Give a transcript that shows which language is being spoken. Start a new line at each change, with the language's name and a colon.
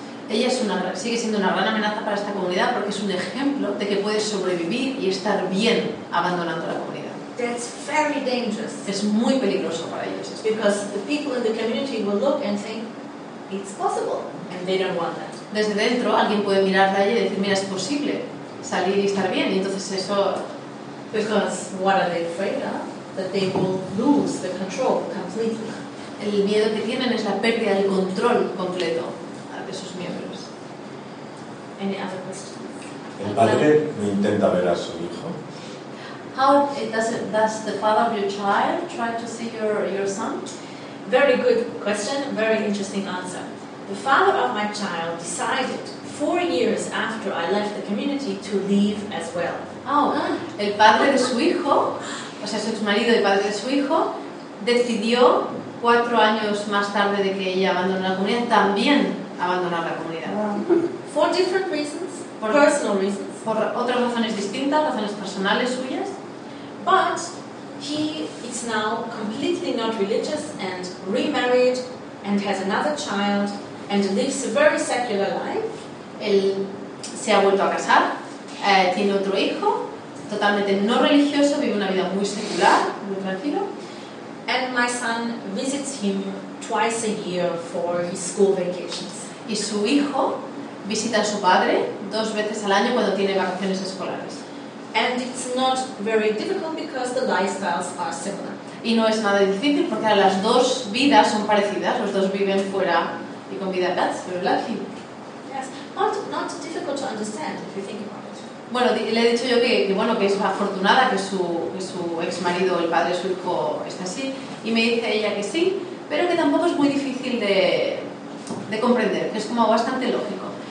Spanish: Ella sigue siendo una gran amenaza para esta comunidad porque es un ejemplo de que puedes sobrevivir y estar bien abandonando la comunidad.
English: That's very dangerous.
Spanish: Es muy peligroso para ellos.
English: Because the people in the community will look and think it's possible, and they don't want that.
Spanish: Desde dentro alguien puede mirar de allí y decir, mira, es posible salir y estar bien, y entonces eso.
English: Because what are they afraid of? That they will lose the control completely.
Spanish: El miedo que tienen es la pérdida del control completo de sus miembros.
English: Any other questions?
Spanish: El padre no intenta ver a su hijo.
English: How does the father of your child try to see your son? Very good question, very interesting answer. The father of my child decided 4 years after I left the community to leave as well.
Spanish: Oh, el padre de su hijo, o sea, su ex marido y padre de su hijo, decidió 4 años más tarde de que ella abandonó la comunidad, también abandonar la comunidad.
English: For different reasons, personal reasons.
Spanish: Por otras razones distintas, razones personales suyas.
English: But he is now completely not religious and remarried and has another child and lives a very secular life.
Spanish: Él se ha vuelto a casar, tiene otro hijo, totalmente no religioso, vive una vida muy secular, muy tranquilo.
English: And my son visits him twice a year for his school vacations.
Spanish: Y su hijo visita a su padre 2 veces al año cuando tiene vacaciones escolares.
English: And it's not very difficult because the lifestyles are similar.
Spanish: Y no es nada difícil porque las dos vidas son parecidas, los dos viven fuera y con vida.
English: That's very lucky. Yes, not difficult to understand if you think about it.
Spanish: Bueno, le he dicho yo que es afortunada que su ex marido, el padre de su hijo, está así, y me dice ella que sí, pero que tampoco es muy difícil de comprender, que es como bastante lógico.